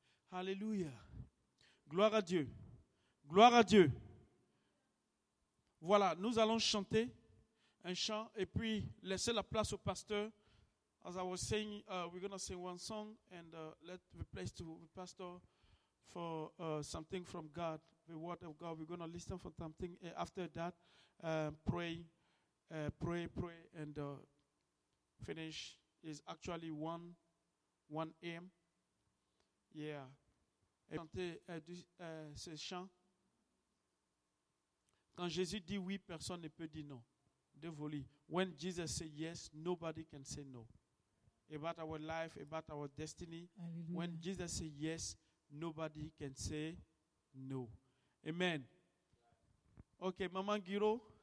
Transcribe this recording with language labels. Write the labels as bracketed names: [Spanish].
[French] Alléluia. Gloire à Dieu. Gloire à Dieu. Voilà, nous allons chanter un chant et puis laisser la place au pasteur. [English] As I was saying, we're going to sing one song and let the place to the pastor for something from God, the word of God. We're going to listen for something. After that, pray, and finish. It's actually 1 a.m. Yeah. [French] Chanter ce chant. Quand Jésus dit oui, personne ne peut dire non. De voler. [English] When Jesus said yes, nobody can say no. About our life, about our destiny. Alleluia. When Jesus said yes, nobody can say no. Amen. Ok, Maman Guiro.